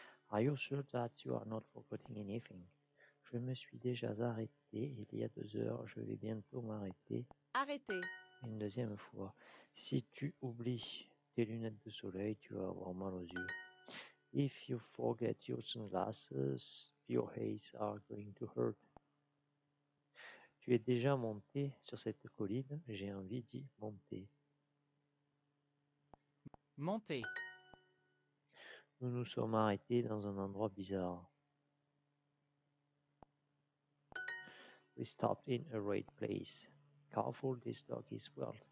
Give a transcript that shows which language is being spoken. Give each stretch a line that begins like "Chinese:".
English: Are you sure that you are not forgetting anything?
French: Je me suis déjà arrêté il y a 2 heures. Je vais bientôt m'arrêter. Arrêter. Une deuxième fois. Si tu oublies tes lunettes de soleil, tu vas avoir mal aux yeux.
English: If you forget your sunglasses, your eyes are going to hurt.
French: Tu es déjà monté sur cette colline, j'ai envie d'y monter. Monter. Nous nous sommes arrêtés dans un endroit bizarre.
English: We stopped in a weird place. Careful, this dog is weird.